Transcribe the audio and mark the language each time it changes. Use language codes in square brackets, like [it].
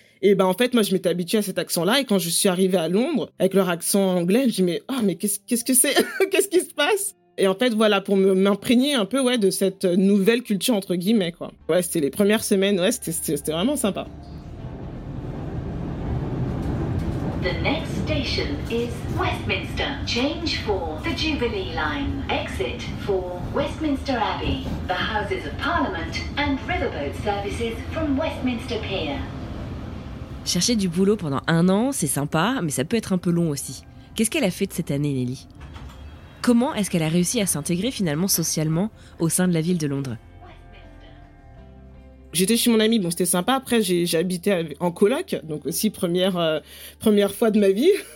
[fr] Et ben, en fait, moi, je m'étais habituée à cet accent-là. Et quand je suis arrivée à Londres, avec leur accent anglais, je me dis, oh, mais qu'est-ce que c'est? Qu'est-ce qui se passe? Et en fait, voilà, pour m'imprégner un peu, ouais, de cette nouvelle culture, entre guillemets, quoi. Ouais, c'était les premières semaines. Ouais, c'était vraiment sympa. [en] The next station is Westminster. Change for the Jubilee Line. Exit for Westminster Abbey, the Houses of Parliament and riverboat services from Westminster Pier. [fr] Chercher du boulot pendant 1 an, c'est sympa, mais ça peut être un peu long aussi. Qu'est-ce qu'elle a fait de cette année, Nelly? Comment est-ce qu'elle a réussi à s'intégrer finalement socialement au sein de la ville de Londres? J'étais chez mon ami, bon, c'était sympa. Après, j'ai habité en coloc, donc aussi première fois de ma vie.